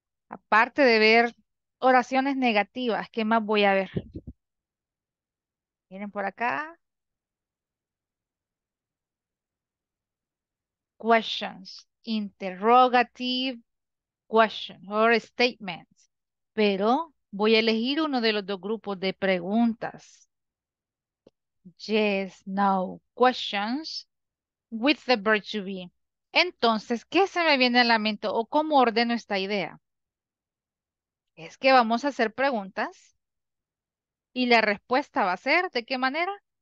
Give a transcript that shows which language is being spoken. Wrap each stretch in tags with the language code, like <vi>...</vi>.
<es>Aparte de ver oraciones negativas, ¿qué más voy a ver? Miren por acá.</es> <en>Questions, interrogative questions or statements.</en> <es>Pero voy a elegir uno de los dos grupos de preguntas.</es> <en>Yes, no, questions with the verb to be.</en> <es>Entonces, ¿qué se me viene a la mente o cómo ordeno esta idea? Es que vamos a hacer preguntas y la respuesta va a ser, ¿de qué manera?</es>